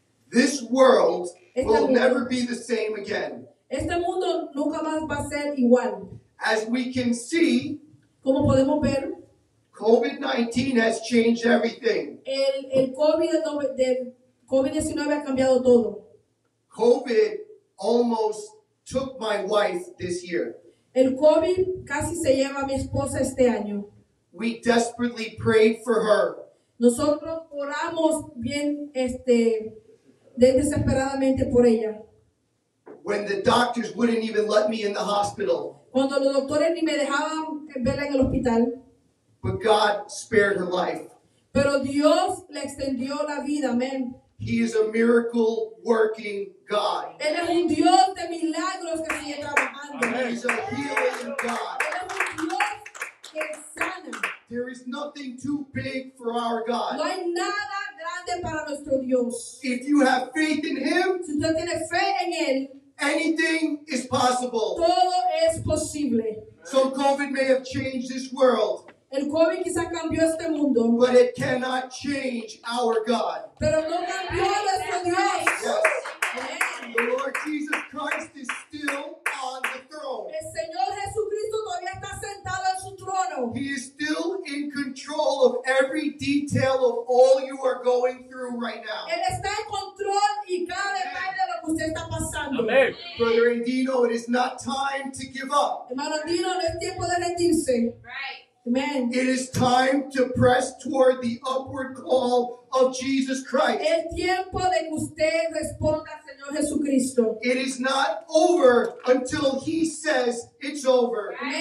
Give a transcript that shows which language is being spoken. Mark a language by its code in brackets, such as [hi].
[en] This world will never be the same again. [es] Este mundo nunca más va a ser igual. [en] As we can see, [es] como podemos ver, [en] COVID-19 has changed everything. [es] COVID-19 ha cambiado todo. [en] COVID almost took my wife this year. [es] El COVID casi se lleva a mi esposa este año. [en] We desperately prayed for her. [es] Nosotros oramos bien desesperadamente por ella. [en] When the doctors wouldn't even let me in the hospital. [es] Cuando los doctores ni me dejaban verla en el hospital. [en] But God spared her life. [es] Pero Dios le extendió la vida, amen. [en] He is a miracle working God. [es] Él es un Dios de milagros que sigue trabajando. [en] He is a healing God. [es] Él es un Dios que sana. [en] There is nothing too big for our God. [es] No hay nada grande para nuestro Dios. [en] If you have faith in Him, [es] si usted tiene fe en Él, [en] anything is possible. [es] Todo es posible. [en] So COVID may have changed this world. [es] El COVID quizá cambió este mundo. [en] But it cannot change our God. [es] Pero no cambió nuestro Dios. [en] Yes. The Lord Jesus Christ is still on the throne. [es] El Señor Jesucristo todavía está sentado en su trono. [en] He is still in control of every detail of all you are going through right now. [es] Él está en control y cada detalle de lo que usted está pasando. Amen. [en] Brother Andino, it is not time to give up. [es] Hermano Andino, no es tiempo de rendirse. [en] Right. Amen. It is time to press toward the upward call of Jesus Christ. [es] Es tiempo de que usted responda al Señor Jesucristo. [en] It is not over until He says it's over.